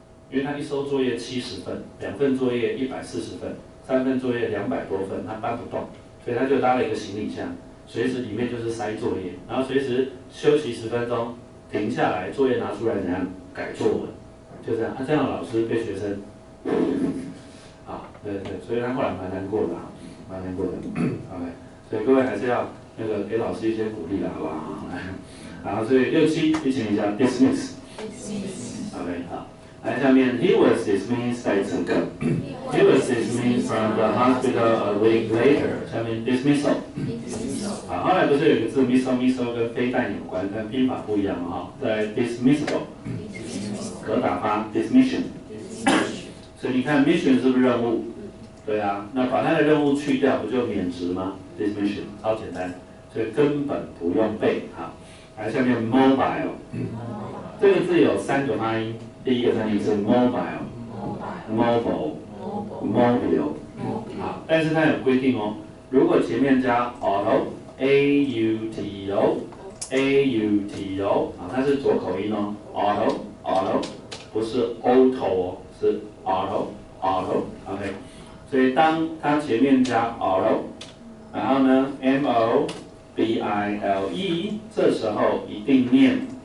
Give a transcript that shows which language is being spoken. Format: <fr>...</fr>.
<zh>因为他一收作业70份，两份作业140份，三份作业200多份，他搬不动，所以他就搭了一个行李箱，随时里面就是塞作业，然后随时休息10分钟，停下来，作业拿出来怎样改作文。就这样，啊，这样的老师被学生，啊，对对，所以他后来蛮难过的，蛮难过的。 OK， 所以各位还是要那个给老师一些鼓励的，好不好？好，所以67提醒一下 ，dismiss。</zh> <en>OK， 好，</en> <zh>来下面</zh> <en>，he was dismissed</en> <zh>再一次</zh> <en>，he was dismissed from the hospital a week later。</en> <zh>下面 dismissal。好，后来不是有个字 missile 跟飞弹有关，但拼法不一样哈，在 dismissal。可打发 dismission， 所以你看 mission 是不是任务？对啊，那把他的任务去掉，不就免职吗 ？dismission 超简单，所以根本不用背哈。来，下面 mobile， 这个字有三个发音，第一个发音是 mobile， 好，但是它有规定哦，如果前面加 auto， 啊，它是左口音哦 ，auto。</zh> <en>Auto</en> <zh>不是</zh> <en>auto 哦，是 auto，auto，OK、okay。</en> <zh>所以当它前面加 auto， 然后呢 mobile， 这时候一定念</zh>